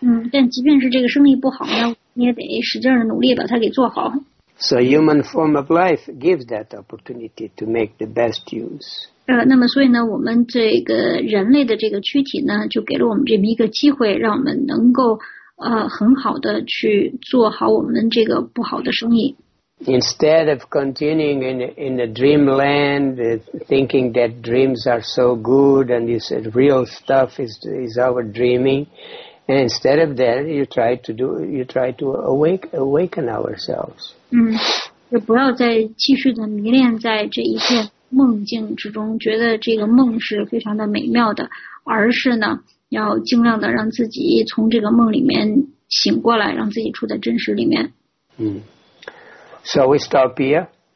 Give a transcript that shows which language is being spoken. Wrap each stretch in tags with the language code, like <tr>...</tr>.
<zh>但即便是这个生意不好呢，你也得使劲的努力把它给做好。</zh> <en>So human form of life gives that opportunity to make the best use.</en> <zh>那么所以呢，我们这个人类的这个躯体呢，就给了我们这么一个机会，让我们能够很好的去做好我们这个不好的生意。</zh> <en>Instead of continuing in the dreamland, thinking that dreams are so good and this real stuff is our dreaming, and instead of that, you try to awaken ourselves.</en> <zh>就不要再继续的迷恋在这一片梦境之中，觉得这个梦是非常的美妙的，而是呢，要尽量的让自己从这个梦里面醒过来，让自己处在真实里面。</zh> <en>So we stop here.</en>